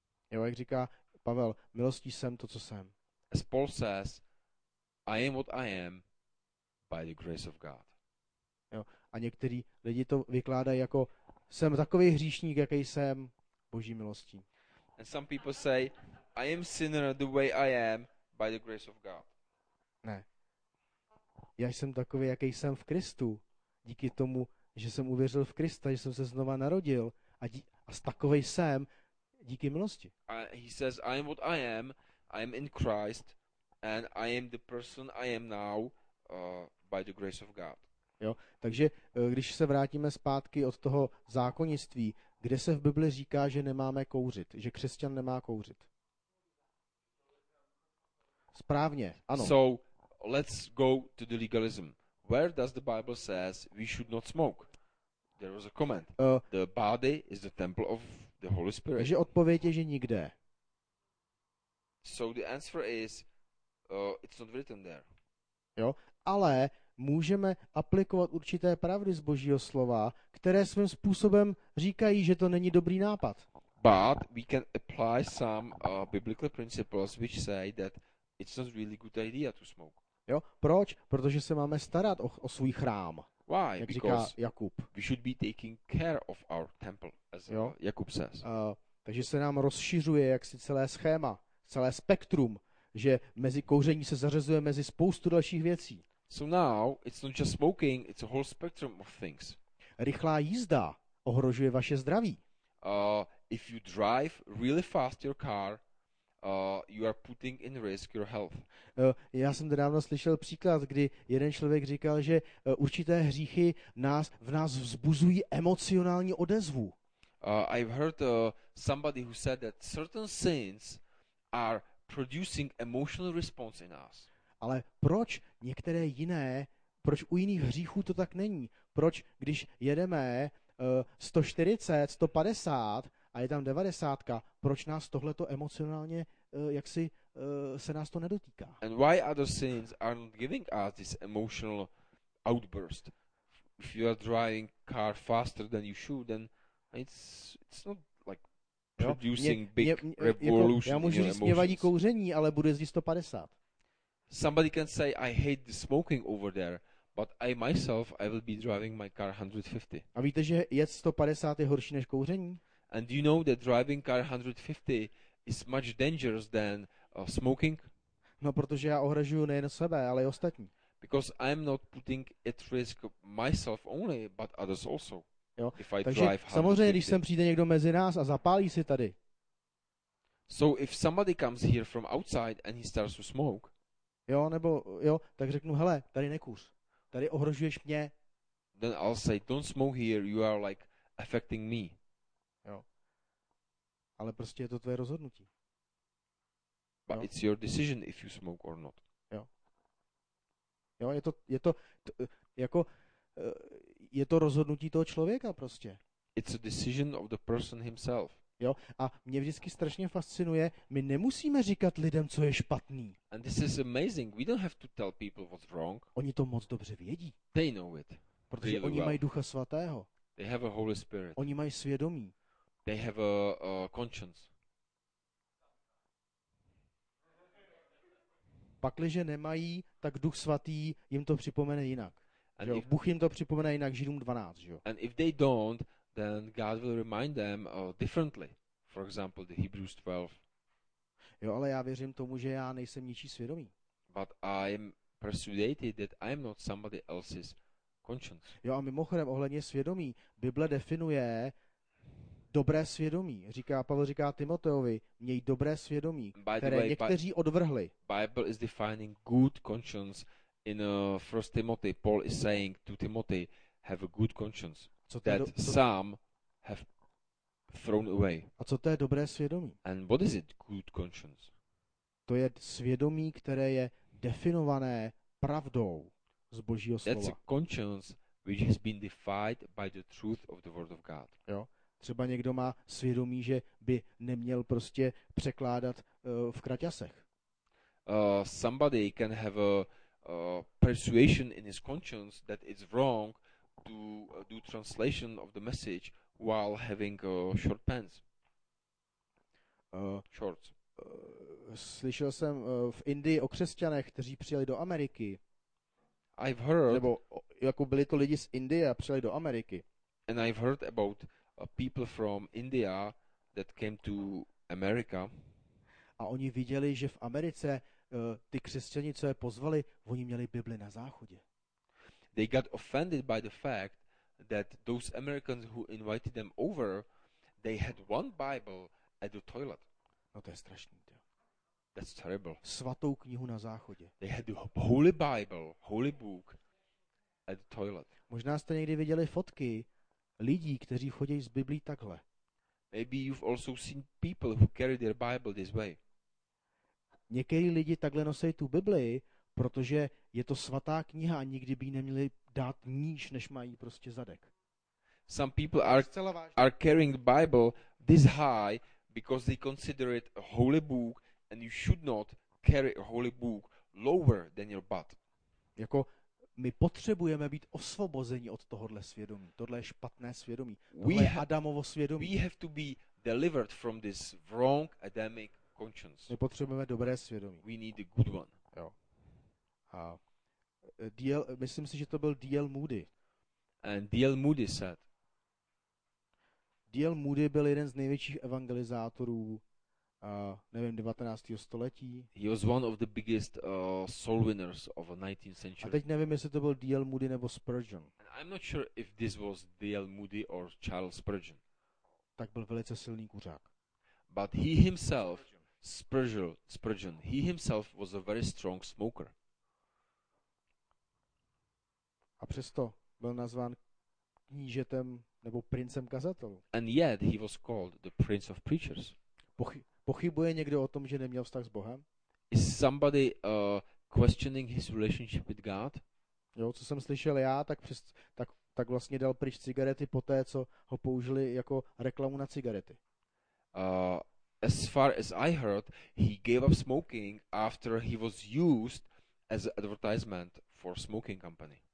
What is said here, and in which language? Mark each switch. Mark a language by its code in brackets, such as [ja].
[cs] Jo, jak říká Pavel, milostí jsem to, co jsem. [en] As Paul says, I am what I am by the grace of God. [cs] Jo, a někteří lidi to vykládají jako jsem takový hříšník, jaký jsem, Boží milostí. [en] And some people say, I am sinner the way I am by the grace of God. [cs] Ne. Já jsem takový, jaký jsem v Kristu, díky tomu, že jsem uvěřil v Krista, že jsem se znova narodil a takovej jsem díky milosti. [en] He says, I am what I am in Christ and I am the person I am now by the grace of God. [cs] Jo, takže když se vrátíme zpátky od toho zákonnictví, kde se v Bibli říká, že nemáme kouřit, že křesťan nemá kouřit. Správně, ano. [en] So, let's go to the legalism. Where does the Bible says we should not smoke? There was a comment. The body is the temple of the Holy Spirit. [cs] Takže odpověď je, že nikde. [en] So the answer is it's not written there. [cs] Jo, ale můžeme aplikovat určité pravdy z Božího slova, které svým způsobem říkají, že to není dobrý nápad. [en] But we can apply some biblical principles which say that it's not really good idea to smoke. [cs] Jo, proč? Protože se máme starat o svůj chrám. [en] Why? [cs] Jak říká Jakub. [en] We should be taking care of our temple, as [cs] jo? [en] Jakub says. [cs] Takže se nám rozšiřuje jaksi celé schéma, celé spektrum, že mezi kouření se zařazuje mezi spoustu dalších věcí. [en] So now it's not just smoking, it's a whole spectrum of things. [cs] Rychlá jízda ohrožuje vaše zdraví. [en] If you drive really fast your car, you are putting in risk your health. [cs] Já jsem nedávno slyšel příklad, kdy jeden člověk říkal, že určité hříchy nás v nás vzbuzují emocionální odezvu. [en] I've heard somebody who said that certain sins are producing emotional response in us. [cs] Ale proč některé jiné, proč u jiných hříchů to tak není? Proč když jedeme 140, 150 a je tam 90, proč nás tohle to emocionálně jaksi se nás to nedotýká? [en] And why other sins are not giving us this emotional outburst? If you are driving car faster than you should, then it's not like producing big revolution. [cs] Já můžu říct, mě vadí kouření, ale budu jezdit 150. [en] Somebody can say I hate the smoking over there, but I myself I will be driving my car 150. [cs] A víte, že jet 150 je horší než kouření? [en] And you know that driving car 150 is much dangerous than smoking? [cs] No, protože já ohrožuju nejen sebe, ale i ostatní. [en] Because I'm not putting at risk myself only, but others also. [cs] Jo. [en] If I [cs] Takže [en] drive [cs] samozřejmě, když sem přijde někdo mezi nás a zapálí si tady. [en] So if somebody comes here from outside and he starts to smoke. [cs] Jo, nebo jo, tak řeknu, hele, tady nekuř. Tady ohrožuješ mě. [en] Then I'll say, don't smoke here, you are like affecting me. [cs] Jo. Ale prostě je to tvoje rozhodnutí. [en] But [cs] jo. [en] It's your decision if you smoke or not. [cs] Jo. Jo, je to je to rozhodnutí toho člověka prostě. [en] It's a decision of the person himself. [cs] Jo, a mě vždycky strašně fascinuje, my nemusíme říkat lidem, co je špatný. [en] And this is amazing. We don't have to tell people what's wrong. [cs] Oni to moc dobře vědí. [en] They know it. [cs] Protože [en] really [cs] oni [en] well. [cs] Mají Ducha Svatého. [en] They have a Holy Spirit. [cs] Oni mají svědomí. [en] They have a conscience. [cs] Pakliže nemají, tak Duch Svatý jim to připomene jinak. [en] And [cs] jo, Bůh jim to připomene jinak, Židům 12, jo. [en] And if they don't, then God will remind them differently. For example, the Hebrews 12. [cs] Jo, ale já věřím tomu, že já nejsem ničí svědomí. [en] But I am persuaded that I am not somebody else's conscience. [cs] Jo, a mimochodem ohledně svědomí, Bible definuje dobré svědomí. Říká Pavel říká Timoteovi, měj dobré svědomí, které někteří odvrhli. [en] Bible is defining good conscience. In 1 Timothy, Paul is saying to Timothy, have a good conscience, some have thrown away. [cs] A co to je dobré svědomí? [en] And what is it, good conscience? [cs] To je svědomí, které je definované pravdou z Božího slova. [en] That's a conscience which has been defined by the truth of the word of God. [cs] Jo? Třeba někdo má svědomí, že by neměl prostě překládat v kraťasech. [en] Somebody can have a persuasion in his conscience that it's wrong to do translation of the message while having short pants. Shorts. [cs] Slyšel jsem v Indii o křesťanech, kteří přijeli do Ameriky. [en] I've heard. [cs] Nebo jako byli to lidi z Indie a přijeli do Ameriky. [en] And I've heard about people from India that came to America. [cs] A oni viděli, že v Americe ty křesťani, co je pozvali, oni měli Bibli na záchodě. [en] They got offended by the fact that those Americans who invited them over, they had one Bible at the toilet. [cs] No to je strašný. Tě. [en] That's terrible. [cs] Svatou knihu na záchodě. [en] They had the holy Bible, holy book at the toilet. [cs] Možná jste někdy viděli fotky lidí, kteří chodí s Biblí takhle. [en] Maybe you've also seen people who carry their Bible this way. [cs] Někteří lidi takhle nosejí tu Bibli, protože je to svatá kniha a nikdy by ji neměli dát níž, než mají prostě zadek. [en] Some people are carrying the Bible this high because they consider it a holy book and you should not carry a holy book lower than your butt. [cs] Jako my potřebujeme být osvobozeni od tohohle svědomí. Tohle je špatné svědomí. Tohle je Adamovo svědomí. [en] We have to be delivered from this wrong Adamic conscience. [cs] My potřebujeme dobré svědomí. [en] We need a good one. [cs] Jo. A myslím si, že to byl D.L. Moody. [en] And D.L. Moody said. [cs] D.L. Moody byl jeden z největších evangelizátorů, nevím, 19. století. [en] He was one of the biggest soul winners of the 19th century. [cs] A teď nevím, jestli to byl D.L. Moody nebo Spurgeon. [en] And I'm not sure if this was D.L. Moody or Charles Spurgeon. [cs] Tak byl velice silný kuřák. [en] But he himself Spurgeon, he himself was a very strong smoker. [cs] A přesto byl nazván knížetem nebo princem kazatelů. [en] And yet he was called the prince of preachers. [cs] Pochybuje někdo o tom, že neměl vztah s Bohem? [en] Is somebody questioning his relationship with God? [cs] Jo, co jsem slyšel já, tak vlastně dal pryč cigarety poté, co ho použili jako reklamu na cigarety. [en] As far as I heard, he gave up smoking after he was used as advertisement for smoking company.